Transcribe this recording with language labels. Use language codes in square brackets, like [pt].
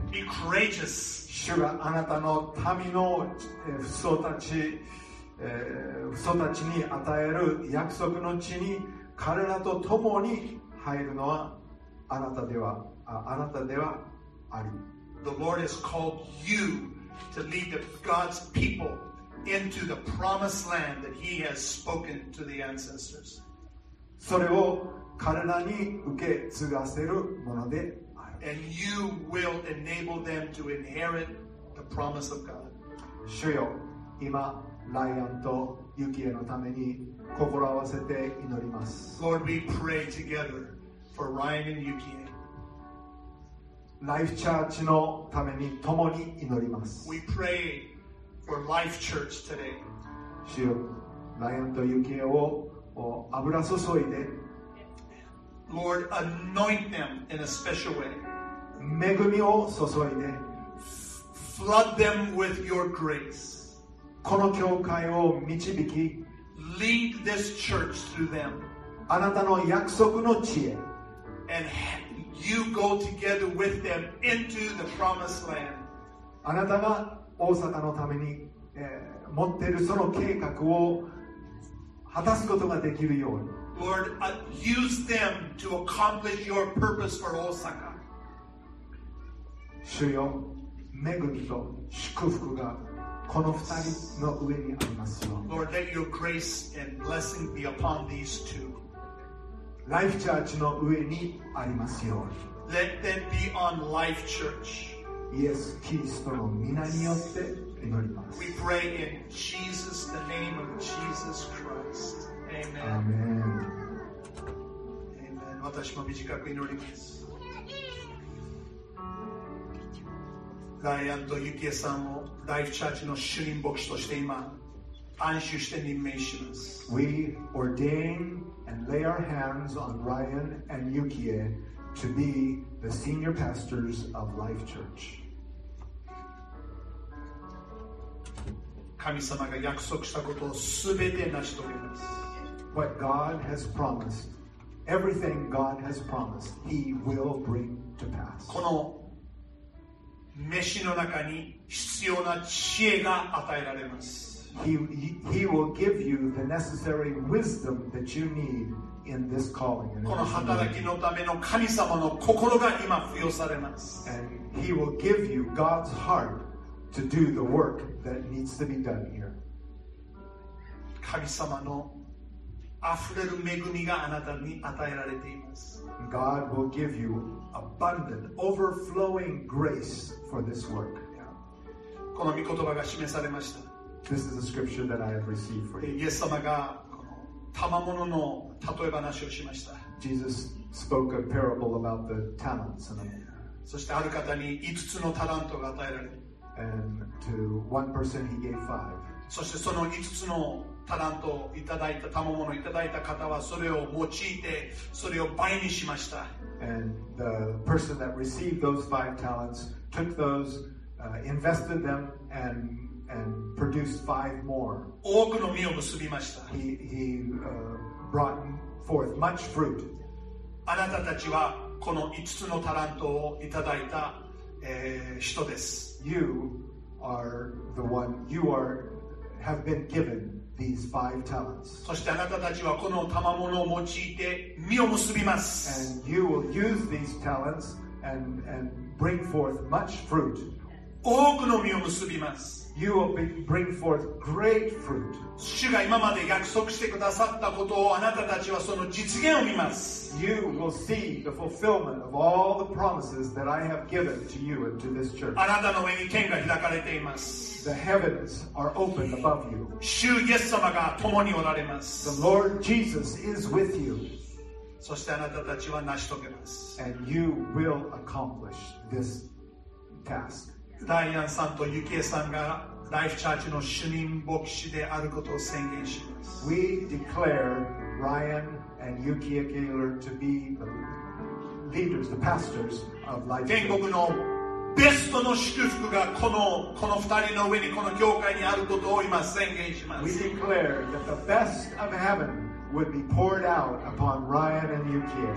[en] Be courageous. [ja] 主があなたの民の父祖たちに与える約束の地に彼らと共に入るのはあなたでは、あなたではあり。 [en] The Lord has called you to lead the God's peopleinto the promised land that he has spoken to the ancestors. [ja] それを彼らに受け継がせるものである。 [en] And you will enable them to inherit the promise of God. [ja] 主よ、今ライアンとユキエのために心を合わせて祈ります。 [en] Lord, we pray together for Ryan and Yukie. [ja] ライフチャーチのために共に祈ります。 [en] We prayFor Life Church today. [ja] 主よ、ライアンとユキエを油注いで。 [en] Lord, anoint them in a special way. [ja] 恵みを注いで。 [en] Flood them with your grace. [ja] この教会を導き。 [en] Lead this church through them. [ja] あなたの約束の地へ。 [en] And you go together with them into the promised land. [ja] あなたが大阪のために、持っているその計画を果たすことができるように。 [en] Lord, use them to accomplish your purpose for Osaka. [ja] 主よ、恵みと祝福がこの二人の上にありますように。 [en] Lord, let your grace and blessing be upon these two. [ja] Life Church の上にありますように。 [en] Let them be on Life Church. [ja] イエス・キリストの御名によって祈ります。 [en] We pray in Jesus, the name of Jesus Christ. Amen. Amen. [ja] Amen. 私も短く祈ります。ライアンとユキエさんをライフチャーチの主任牧師として今安守して任命します。 [en] We ordain and lay our hands on Ryan and Yukie to be the senior pastors of Life Church. [ja] 神様が約束したことをすべて成し遂げます。 [en] What God has promised, everything God has promised, He will bring to pass. [ja] この召の中に必要な知恵が与えられます。 [en] He will give you the necessary wisdom that you need. In this calling, in [ja] この働きのための神様の心が今付与されます。 [en] And he will give you God's heart to do the work that needs to be done here. [ja] 神様の溢れる恵みがあなたに与えられています。 [en] God will give you abundant, overflowing grace for this work. [ja] この御言葉が示されました。 [en] This is a scripture that I have received for you. [ja] イエス様が賜物の例え話をしました。 [en] Jesus spoke a parable about the talents. [ja] そしてある方に5つのタラントが与えられ。 [en] And to one person he gave five. [ja] そしてその5つのタラントをいただいた、賜物をいただいた方はそれを用いてそれを倍にしました。 [en] And the person that received those five talents took those、invested them and produced five more. [ja] 多くの実を結びました。 [en] He brought forth much fruit. [ja] あなたたちはこの5つのタラントをいただいた、人です。 [en] You are the one, you are, have been given these five talents. [ja] そしてあなたたちはこの賜物を用いて実を結びます。 [en] And you will use these talents and bring forth much fruit. [ja] 多くの実を結びます。 [en] You will bring forth great fruit. [ja] 主が今まで約束してくださったことをあなたたちはその実現を見ます。 [en] You will see the fulfillment of all the promises that I have given to you and to this church. [ja] あなたの上に天が開かれています。 [en] The heavens are open above you. [ja] 主イエス様が共におられます。 [en] The Lord Jesus is with you. [ja] そしてあなたたちは成し遂げます。 [en] And you will accomplish this task. [ja] ライアンさんとユキエさんがライフチャーチの主任牧師であることを宣言します。 [en] We declare Ryan and Yukiya Gaylor to be the leaders, the pastors of Life Church. [ja] 天国のベストの祝福がこの二人の上にこの教会にあることを今宣言します。 [en] We declare that the best of heaven would be poured out upon Ryan and Yukiya.